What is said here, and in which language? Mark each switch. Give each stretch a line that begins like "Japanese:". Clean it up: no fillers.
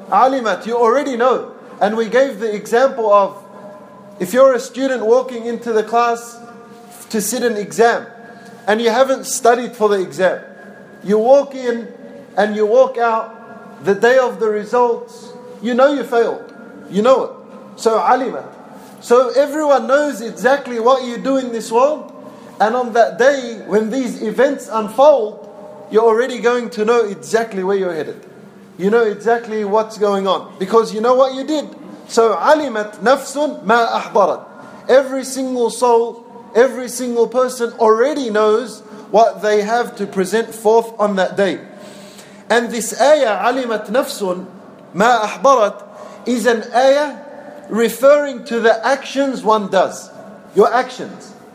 English: Alimat, you already know. And we gave the example of, if you're a student walking into the class to sit an exam, and you haven't studied for the exam, you walk in and you walk out, the day of the results, you know you failed. You know it. So alimat. So everyone knows exactly what you do in this world. And on that day, when these events unfold, you're already going to know exactly where you're headed. You know exactly what's going on, because you know what you did.
Arabic: So, عَلِمَتْ نَفْسٌ مَا أَحْضَرَتْ.
English: Every single soul, every single person already knows what they have to present forth on that day. And this ayah,
Arabic: عَلِمَتْ نَفْسٌ مَا أَحْضَرَتْ,
English: is an ayah referring to the actions one does. Your actions.